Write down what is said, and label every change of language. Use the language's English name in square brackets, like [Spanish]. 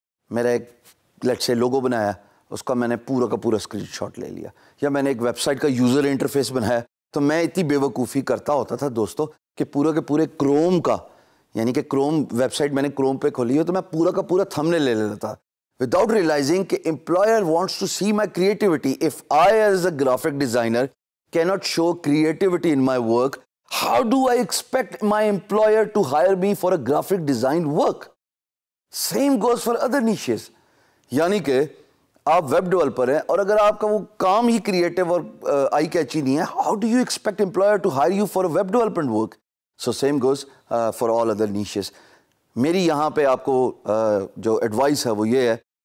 [Urdu] میرا ایک let's say لوگو بنایا، اس کا میں نے پورا کا پورا اسکرین شاٹ لے لیا. یا میں نے ایک ویب سائٹ کا یوزر انٹرفیس بنایا تو میں اتنی بے وقوفی کرتا ہوتا تھا دوستو کہ پورا کے پورے کروم کا، یعنی کہ کروم ویب سائٹ میں نے کروم پہ کھولی ہو تو میں پورا کا پورا تھم نیل لے لیتا [English] without realising [Urdu] کہ [English] Employer wants to see my creativity. If I as a graphic designer cannot show creativity in my work, how do I expect my employer to hire me for a graphic design work? Same goes for other niches. [Urdu] یعنی کہ آپ web developer ہیں اور اگر آپ کا وہ کام ہی creative اور آئی کیچی نہیں ہے، [English] how do you expect employer to hire you for a web development work? So same goes for all other niches. [Urdu] میری یہاں پہ آپ کو جو ایڈوائس ہے وہ یہ ہے